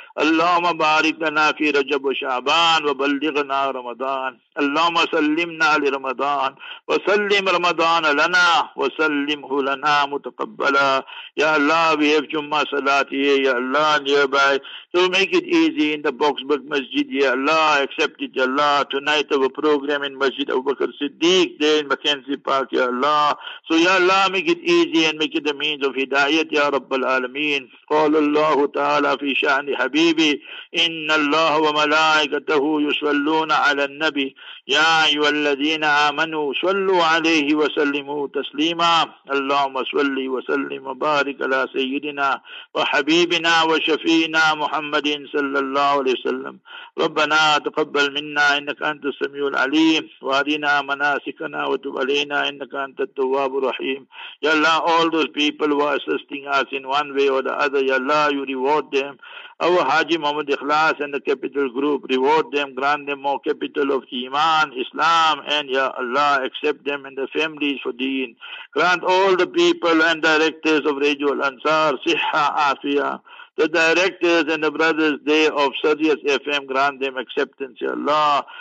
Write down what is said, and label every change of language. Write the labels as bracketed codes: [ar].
[ar] اللهم بارك لنا في رجب وشعبان وبلغنا رمضان اللهم سلمنا لرمضان وَسَلِّمْ رَمَضَانَ لَنَا وَسَلِّمْهُ لَنَا مُتَقَبَّلًا [en] Ya Allah, we have Jummuah Salat here, Ya Allah, nearby. So make it easy in the Boxburg Masjid, Ya Allah, accept it, Ya Allah. Tonight our program in Masjid Abu Bakr Siddiq, there in Mackenzie Park, Ya Allah. So Ya Allah, make it easy and make it the means of Hidayat, Ya Rabbal Alameen. [ar] قال الله تعالى في شأن حبيبي إن الله وملائكته يصلون على النبي يا أيها الذين آمنوا صلوا عليه وسلموا تسليما اللهم صل وسلم وبارك على سيدنا وحبيبنا وشفينا محمد صلى الله عليه وسلم ربنا تقبل منا إنك أنت السميع العليم وارنا مناسكنا وتب علينا إنك أنت التواب الرحيم يا الله [en] all those people who are assisting us in one way or the other Ya Allah, you reward them. Our Haji Muhammad Ikhlas and the Capital Group, reward them, grant them more capital of Iman, Islam, and Ya Allah, accept them and the families for Deen. Grant all the people and directors of Radio Al-Ansar, Siha, Afia, the directors and the brothers there of Sirius FM, grant them acceptance, Ya Allah.